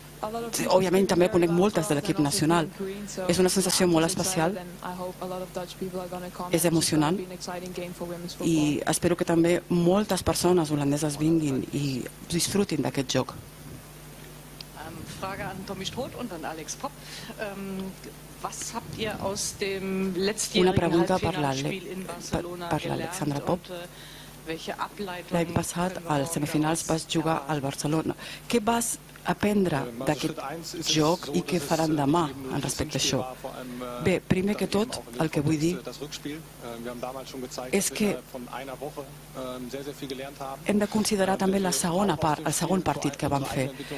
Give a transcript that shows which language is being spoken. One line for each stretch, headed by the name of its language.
Catalan: Òbviament també conec moltes de l'equip nacional. És una sensació molt especial. És emocionant. I espero que també moltes persones holandeses vinguin i disfrutin d'aquest joc.
German: Frage an Tommy Stroth und an Alex Popp. Was habt ihr aus dem letztjährigen Halbfinalspiel in Barcelona Alexandra gelernt? Pop.
Catalan: L'any passat, als semifinals, vas jugar al Barcelona. Què vas aprendre d'aquest joc i què faran demà en respecte a això? Bé, primer que tot, el que vull dir és que hem de considerar també la segona part, el segon partit que vam fer.